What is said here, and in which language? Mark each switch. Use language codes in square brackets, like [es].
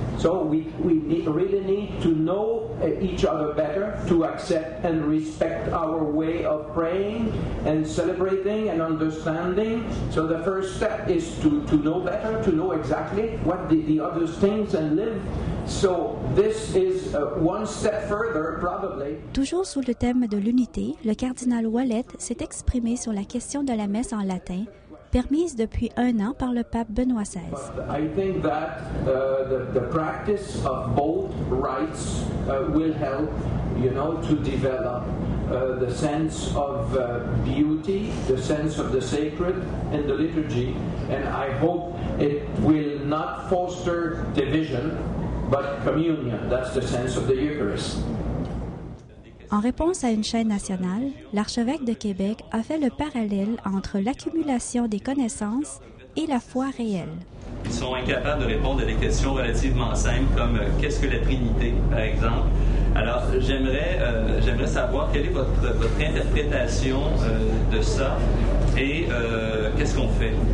[en] So we really need to know each other better, to accept and respect our way of praying and celebrating and understanding. So the first step is to know better, to know exactly what the others think and live. So this is one step further, probably. [fr] Toujours sous le thème de l'unité, le cardinal Ouellette s'est exprimé sur la question de la messe en latin, permise depuis un an par le pape Benoît XVI. [en] I think that the practice of both rites will help, you know, to develop the sense of beauty, the sense of the sacred in the liturgy, and I hope it will not foster division, but communion. That's the sense of the Eucharist. [fr] En réponse à une chaîne nationale, l'archevêque de Québec a fait le parallèle entre l'accumulation des connaissances et la foi réelle. Ils sont incapables de répondre à des questions relativement simples comme « qu'est-ce que la Trinité, par exemple? » Alors, j'aimerais savoir quelle est votre interprétation de ça et qu'est-ce qu'on fait?